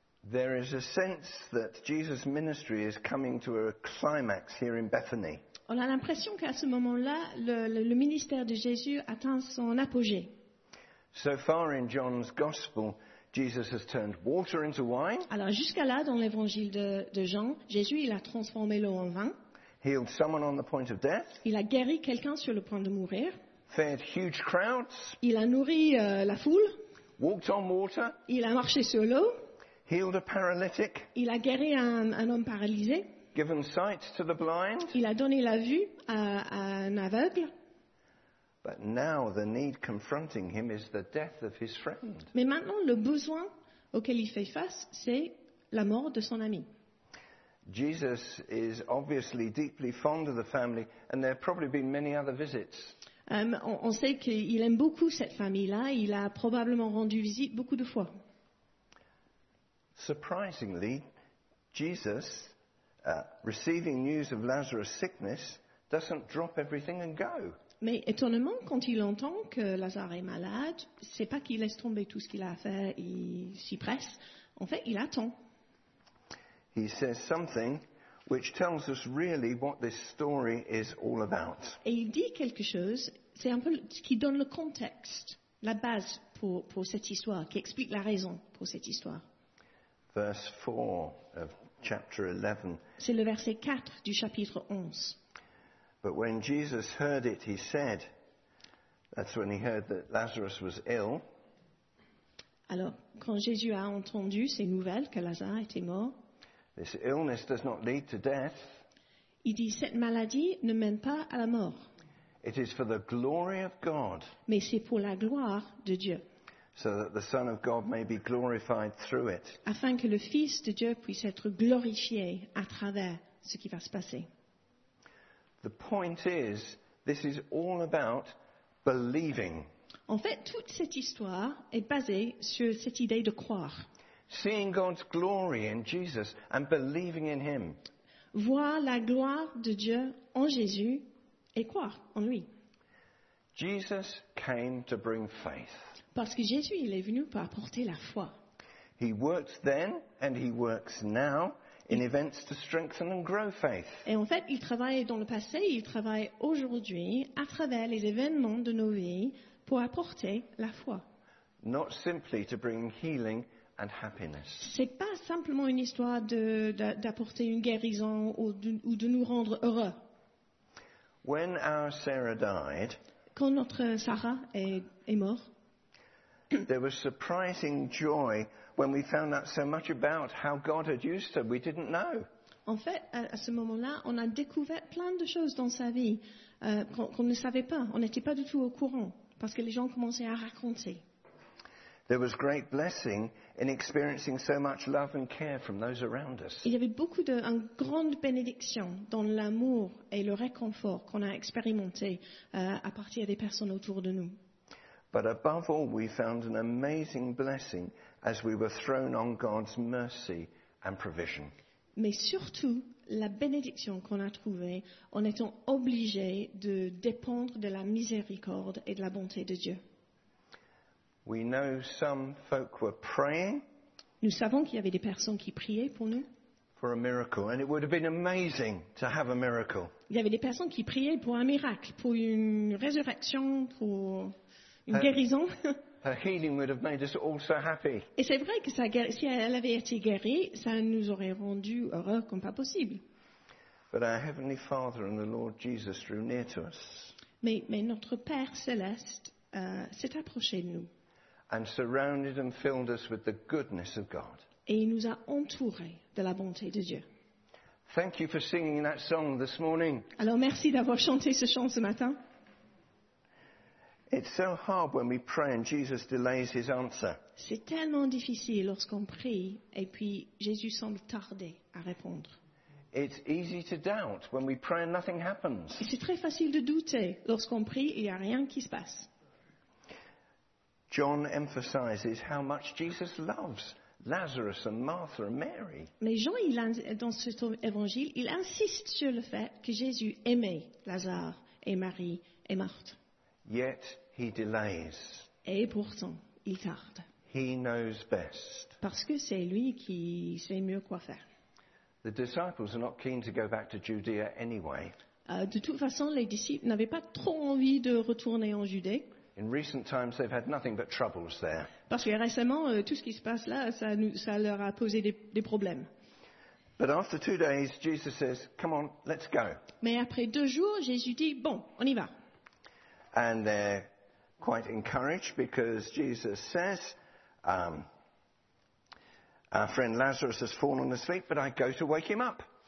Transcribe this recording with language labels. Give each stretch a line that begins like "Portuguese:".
English: There is a sense that Jesus' ministry is coming to a climax here in Bethany.
French: On a l'impression qu'à ce moment-là, le ministère de Jésus atteint son apogée.
English: So far in John's gospel, Jesus has turned water into wine.
French: Alors jusqu'à là, dans l'évangile de Jean, Jésus il a transformé l'eau en vin.
English: Healed someone on the point of death.
French: Il a guéri quelqu'un sur le point de mourir.
English: Fed huge crowds.
French: Il a nourri la foule.
English: Walked on water.
French: Il a marché sur l'eau.
English: Healed a paralytic.
French: Il a guéri un homme paralysé.
English: Given sight to the blind.
French: Il a donné la vue à un aveugle.
English: But now the need confronting him is the death of his friend.
French: Mais maintenant le besoin auquel il fait face, c'est la mort de son ami.
English: Jesus is obviously deeply fond of the family, and there have probably been many other visits.
French: On sait qu'il aime beaucoup cette famille-là. Il a probablement rendu visite beaucoup de fois.
English: Surprisingly, Jesus, receiving news of Lazarus' sickness, doesn't drop everything and go.
French: Mais étonnamment, quand il entend que Lazare est malade, c'est pas qu'il laisse tomber tout ce qu'il a à faire, il s'y presse. En fait, il attend.
English: He says something which tells us really what this story is all about.
French: Et il dit quelque chose, c'est un peu ce qui donne le contexte, la base pour cette histoire, qui explique la raison pour cette histoire.
English: Verse 4 of chapter 11.
French: C'est le verset 4 du chapitre 11.
English: But when Jesus heard it, he said, that's when he heard that Lazarus was ill.
French: Alors, quand Jésus a entendu ces nouvelles que Lazare était mort,
English: this illness does not lead to death.
French: Il dit, cette maladie ne mène pas à la mort.
English: It is for the glory of God.
French: Mais c'est pour la gloire de Dieu.
English: So that the Son of God may be glorified through it.
French: Afin que le Fils de Dieu puisse être glorifié à travers ce qui va se passer.
English: The point is, this is all about believing.
French: En fait, toute cette histoire est basée sur cette idée de croire.
English: Seeing God's glory in Jesus and believing in Him.
French: Voir la gloire de Dieu en Jésus et croire en lui.
English: Jesus came to bring faith.
French: Parce que Jésus, il est venu pour apporter la foi.
English: He works then and he works now in events to strengthen and grow faith.
French: Et en fait, il travaille dans le passé, il travaille aujourd'hui à travers les événements de nos vies pour apporter la foi.
English: Not simply to bring healing and happiness.
French: C'est pas simplement une histoire d'apporter une guérison ou de nous rendre heureux.
English: When our Sarah died,
French: quand notre Sarah est morte,
English: there was surprising joy when we found out so much about how God had used her we didn't know.
French: En fait, à ce moment-là, on a découvert plein de choses dans sa vie qu'on ne savait pas. On n'était pas du tout au courant parce que les gens commençaient à raconter.
English: There was great blessing in experiencing so much love and care from those around us.
French: Il y avait beaucoup de une grande bénédiction dans l'amour et le réconfort qu'on a expérimenté à partir des personnes autour de nous.
English: But above all, we found an amazing blessing as we were thrown on God's mercy and provision.
French: Mais surtout, la bénédiction qu'on a trouvée en étant obligé de dépendre de la miséricorde et de la bonté de Dieu.
English: We know some folk were praying.
French: Nous savons qu'il y avait des personnes qui priaient pour nous.
English: For a miracle, and it would have been amazing to have a miracle.
French: Il y avait des personnes qui priaient pour un miracle, pour une résurrection, pour une guérison.
English: Her healing would have made us all so happy.
French: Et c'est vrai que ça, si elle avait été guérie, ça nous aurait rendu heureux comme pas possible.
English: But our heavenly Father and the Lord Jesus drew near to us.
French: Mais notre Père céleste s'est approché de nous.
English: And surrounded and filled us with the goodness of God.
French: Et il nous a entourés de la bonté de Dieu.
English: Thank you for singing that song this morning.
French: Alors merci d'avoir chanté ce chant ce matin.
English: It's so hard when we pray and Jesus delays his answer.
French: C'est tellement difficile lorsqu'on prie et puis Jésus semble tarder à répondre.
English: It's easy to doubt when we pray and nothing happens.
French: Et c'est très facile de douter lorsqu'on prie et il n'y a rien qui se passe.
English: John emphasizes how much Jesus loves Lazarus and Martha and Mary.
French: Mais Jean, dans cet évangile, il insiste sur le fait que Jésus aimait Lazare et Marie et Marthe.
English: Yet he delays.
French: Et pourtant, il tarde.
English: He knows best.
French: Parce que c'est lui qui sait mieux quoi faire.
English: The disciples are not keen to go back to Judea anyway.
French: De toute façon, les disciples n'avaient pas trop envie de retourner en Judée.
English: In recent times, they've had nothing but troubles there.
French: Parce que récemment, tout ce qui se passe là, ça leur a posé des problèmes.
English: But after 2 days, Jesus says, "Come on, let's go."
French: Mais après 2 jours, Jésus dit, "Bon, on y va."
English: And they're quite encouraged because Jesus says, "Our friend Lazarus has fallen asleep, but I go to wake him up."